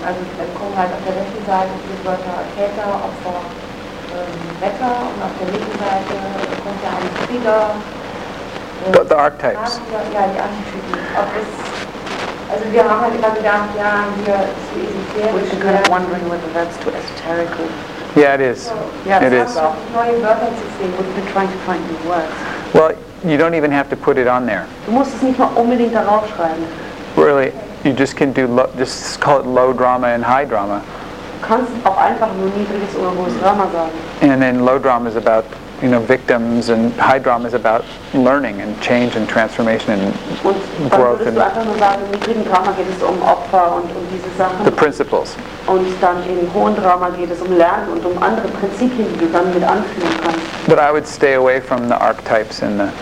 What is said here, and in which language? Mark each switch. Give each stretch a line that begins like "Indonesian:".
German: Also wir gucken halt auf der rechten Seite die Wörter Täter, Opfer, Wetter, und auf der linken Seite kommt ja ein Krieger.
English: The archetypes.
German: Ja, die Archetypen. Ob es, also wir haben halt immer gedacht, ja, hier ist die Esoterik.
English: We're kind of wondering whether that's too esoteric. Yeah, it is. Yeah, it is. We've been trying to find new words. Well, you don't even have to put it on there.
German: Du musst es nicht mal unbedingt darauf schreiben.
English: Really, you just can do just call it low drama and high drama.
German: Du kannst auch einfach nur niedriges oder hohes Drama sagen.
English: And then low drama is about, you know, victims, and high drama is about learning and change and transformation and growth.
German: Und dann würdest du einfach nur sagen, im Drama geht es um Opfer und um diese Sachen.
English: The principles.
German: Und dann im hohen Drama geht es um Lernen und um andere Prinzipien, die du dann mit anführen kannst.
English: But I would stay away from the archetypes and the.